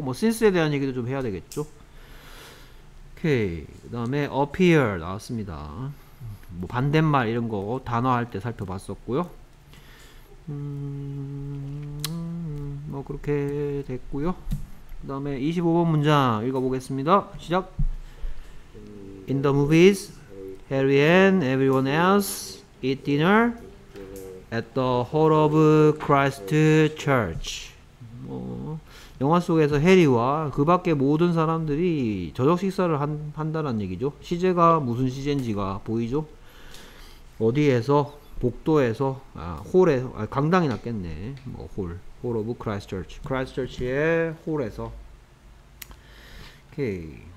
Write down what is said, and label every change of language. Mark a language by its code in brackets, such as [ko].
[ko] 뭐 since에 대한 얘기도 좀 해야 되겠죠. 오케이. 그 다음에 appear 나왔습니다. 뭐 반대말 이런 거 단어 할 때 살펴봤었고요. 뭐 그렇게 됐고요. 그 다음에 25번 문장 읽어보겠습니다. 시작. [en] In the movies Harry and everyone else eat dinner at the Hall of Christ Church. 뭐 [ko] 영화 속에서 해리와 그 밖에 모든 사람들이 저녁 식사를 한다는 얘기죠. 시제가 무슨 시제인지가 보이죠. 어디에서? 복도에서, 아, 홀에서, 아, 강당이 낫겠네. 뭐, 홀. Hall of Christchurch. Christchurch의 홀에서. 오케이.